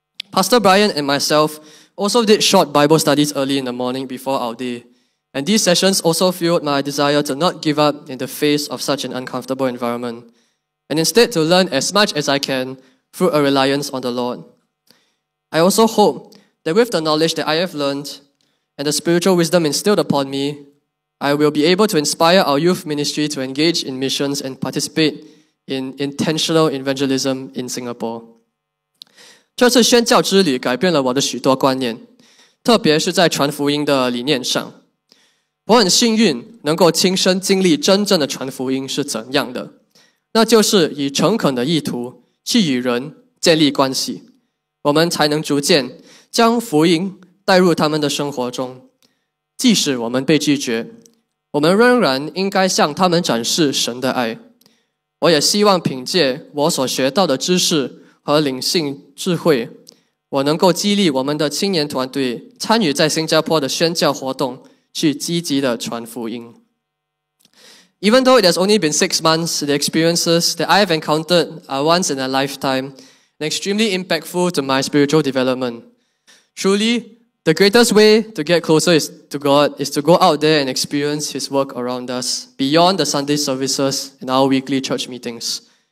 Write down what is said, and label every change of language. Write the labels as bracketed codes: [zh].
[en] Pastor Brian and myself also did short Bible studies early in the morning before our day, and these sessions also fueled my desire to not give up in the face of such an uncomfortable environment, and instead to learn as much as I can through a reliance on the Lord. I also hope that with the knowledge that I have learned and the spiritual wisdom instilled upon me, I will be able to inspire our youth ministry to engage in missions and participate in intentional evangelism in Singapore. [zh] 这次宣教之旅改变了我的许多观念，特别是在传福音的理念上。我很幸运能够亲身经历真正的传福音是怎样的，那就是以诚恳的意图去与人建立关系，我们才能逐渐将福音 带入他们的生活中，即使我们被拒绝，我们仍然应该向他们展示神的爱，我也希望凭借我所学到的知识和灵性智慧，我能够激励我们的青年团队参与在新加坡的宣教活动，去积极的传福音。 [en] Even though it has only been 6 months, the experiences that I have encountered are once in a lifetime and extremely impactful to my spiritual development. Truly, the greatest way to get closer to God is to go out there and experience His work around us, beyond the Sunday services and our weekly church meetings.